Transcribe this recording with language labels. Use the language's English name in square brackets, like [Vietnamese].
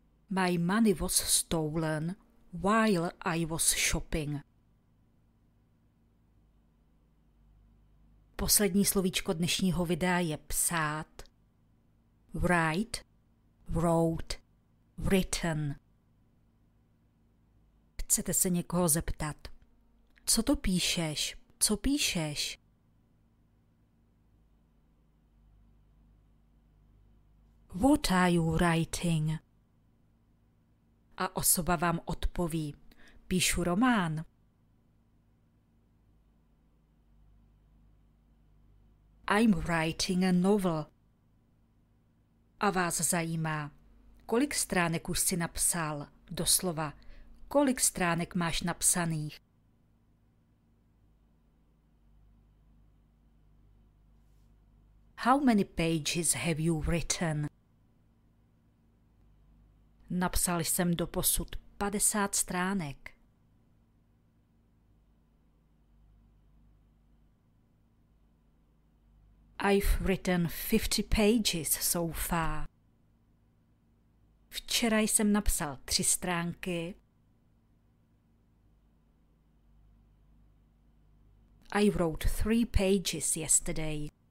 [English] My money was stolen while I was shopping. [Czech] Poslední slovíčko dnešního videa je psát. [English] Write, wrote, written. [Czech] Chcete se někoho zeptat? Co to píšeš? Co píšeš? [English] What are you writing? [Czech] A osoba vám odpoví, píšu román. [English] I'm writing a novel. [Czech] A vás zajímá, kolik stránek už jsi napsal, doslova, kolik stránek máš napsaných. [English] How many pages have you written? [Czech] Napsal jsem doposud 50 stránek. [English] I've written 50 pages so far. [Czech] Včera jsem napsal 3 stránky. [English] I wrote 3 pages yesterday.